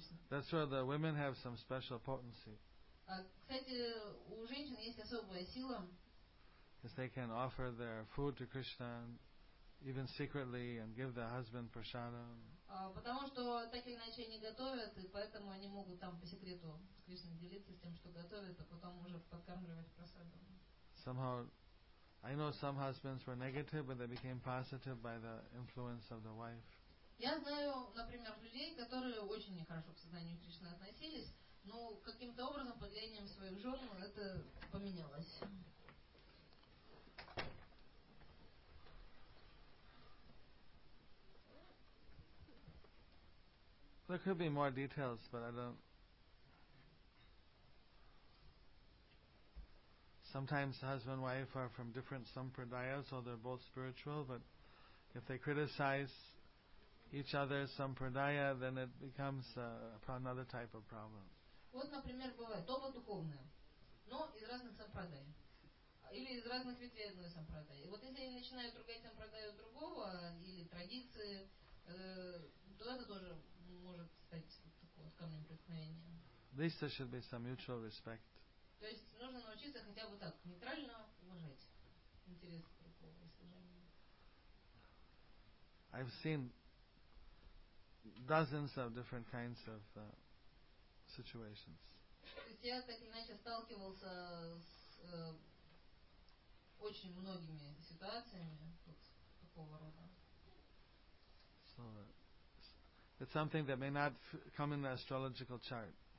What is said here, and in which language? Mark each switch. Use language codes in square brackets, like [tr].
[en] That's where the women have some special potency. Because they can offer their food to Krishna even secretly and give their husband prasadam. [ru] Потому что так или иначе они готовят, и поэтому они могут там по секрету с Кришной делиться с тем, что готовят, а потом уже подкармливать просаду. [en] Somehow, I know some husbands were negative, but they became positive by the influence of the wife. [ru] Я знаю, например, людей, которые очень нехорошо к сознанию Кришны относились, но каким-то образом под влиянием своих жен это поменялось. [en] There could be more details, but I don't. Sometimes husband and wife are from different sampradayas, so they're both spiritual, but if they criticize each other's sampradaya, then it becomes another type of problem. [ru] Вот, например, бывает оба духовные, но из разных сампрадай. Или из разных ветвей одной сампрадай. И вот если они начинают ругать сампрадаю другого, или традиции, то это тоже может стать такой вот камнем преткновения. [en] At least there should be some mutual respect. [ru] То есть нужно научиться хотя бы так нейтрально уважать интересы другого и служения. [en] I've seen dozens of different kinds of situations. [ru] То есть я так иначе сталкивался с очень многими ситуациями вот такого рода. [en] So it's something that may not come in the astrological chart.